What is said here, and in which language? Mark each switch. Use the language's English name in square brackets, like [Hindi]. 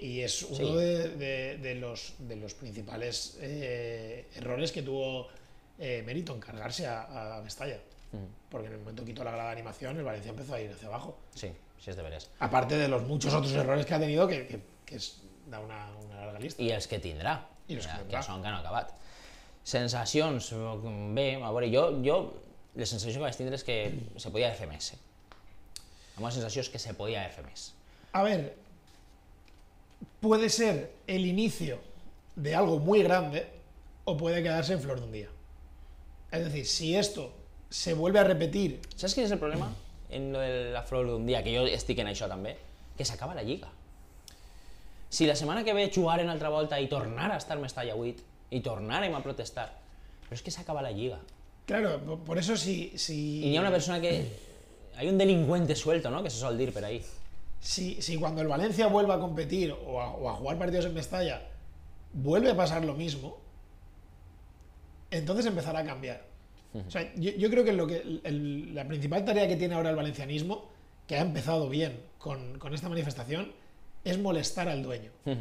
[Spanish] Y es uno de los principales errores que tuvo Meriton, cargarse a Mestalla. Porque en el momento que quitó la grada de animación, el Valencia empezó a ir hacia abajo. Sí, sí, es de veres. Aparte de los muchos otros errores que ha tenido, que es da una larga lista. [Catalan] I els que tindrà. I els que tindrà. Que són que no ha acabat. Sensacions, bé, a veure, jo la sensació que vaig tindre és que se podia fer més. Amb la sensació és que se podia fer més. A veure, [Spanish] puede ser el inicio de algo muy grande o puede quedarse en flor de un día. Es decir, si esto se vuelve a repetir... ¿Sabes quién es el problema en lo de la flor de un día? [Catalan] Que yo estic en això també. Que s'acaba la lliga. Si la setmana que ve jugaren altra volta i tornar a estar Mestalla 8 i tornarem a protestar, però és que s'acaba la lliga. [Spanish] Claro, por eso si... [Catalan] I hi ha una persona que... [Spanish] Hay un delincuente suelto, ¿no? Que [Catalan] se sol dir per ahí. [Spanish] Si cuando el Valencia vuelva a competir o a jugar partidos en Mestalla vuelve a pasar lo mismo, entonces empezará a cambiar. O sea, yo creo que la principal tarea que tiene ahora el valencianismo, que ha empezado bien con esta manifestación, es molestar al dueño.